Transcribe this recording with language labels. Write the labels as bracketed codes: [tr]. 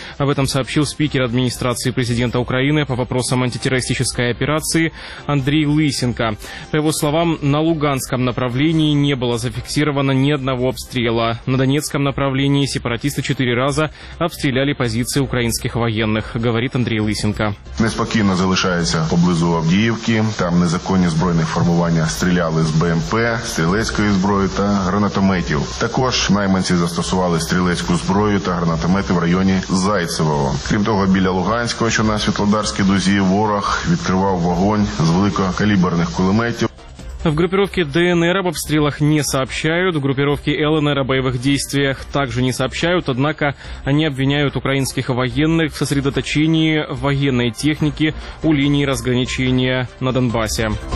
[ru] Об этом сообщил спикер администрации президента Украины по вопросам антитеррористической операции Андрей Лысенко. По его словам, на Луганском направлении не было зафиксировано ни одного обстрела. На Донецком направлении сепаратисты 4 раза обстреляли позиции украинских военных, говорит Андрей Лысенко. [uk] Неспокійно залишається поблизу Авдіївки, там незаконні збройні форми. Стріляли з БМП, стрілецької зброї та гранатометів. Також найманці застосували стрілецьку зброю та гранатомети в районі Зайцевого. Крім того, біля Луганського, що на Світлодарській дузі, ворог відкривав вогонь з великокаліберних кулеметів. [ru] В группировке ДНР об обстрелах не сообщают, в группировке ЛНР о боевых действиях также не сообщают, однако они обвиняют украинских военных в сосредоточении военной техники у линии разграничения на Донбассе.